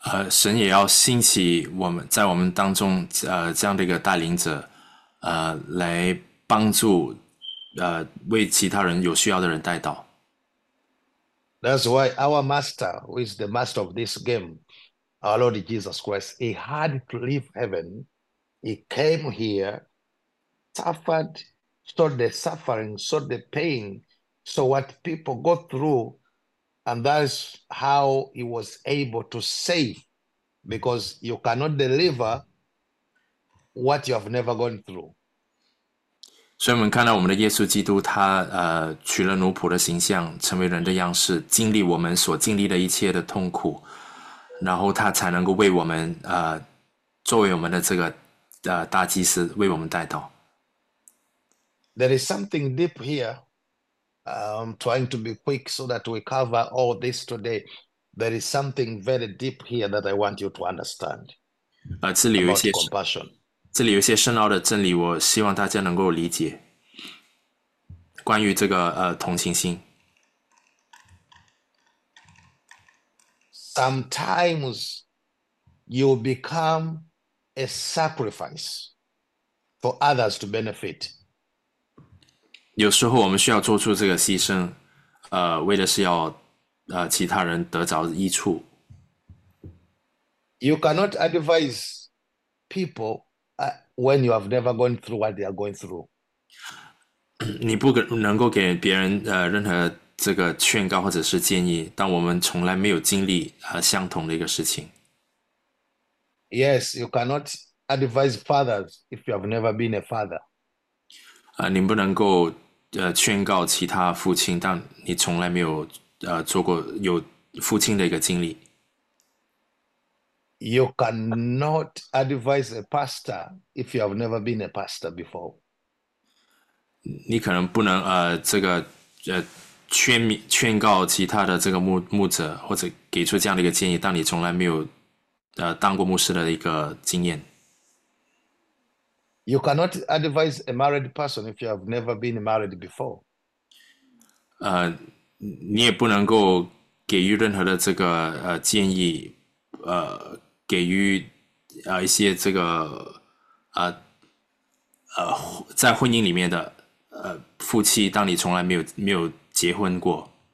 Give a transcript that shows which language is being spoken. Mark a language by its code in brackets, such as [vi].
[zh] 神也要兴起我们在我们当中，这样的一个带领者，来帮助，为其他人有需要的人带到。 [en] That's why our master, who is the master of this game, our Lord Jesus Christ, he had to leave heaven. He came here, suffered, saw the suffering, saw the pain, saw what people go through, and that's how he was able to save, because you cannot deliver what you have never gone through. [zh] 所以，我们看到我们的耶稣基督他，他取了奴仆的形象，成为人的样式，经历我们所经历的一切的痛苦，然后他才能够为我们，作为我们的这个大祭司，为我们代祷。 [en] There is something deep here. I'm trying to be quick so that we cover all this today. There is something very deep here that I want you to understand about compassion. [zh] 这里有一些深奥的真理，我希望大家能够理解。关于这个同情心。 [en] Sometimes you become a sacrifice for others to benefit. [zh] 有时候我们需要做出这个牺牲，为的是要其他人得着益处。 [en] You cannot advise people when you have never gone through what they are going through. [zh] 你不能够给别人任何这个劝告或者是建议，但我们从来没有经历相同的一个事情。 [en] Yes, you cannot advise fathers if you have never been a father. [zh] 你不能够劝告其他父亲，但你从来没有做过有父亲的一个经历。 [en] You cannot advise a pastor if you have never been a pastor before. [zh] 你可能不能这个劝告其他的这个牧者，或者给出这样的一个建议，但你从来没有当过牧师的一个经验。 [en] You cannot advise a married person if you have never been married before. [zh] 你也不能够给予任何的这个建议，给予一些这个在婚姻里面的。夫妻，当你从来没有结婚过，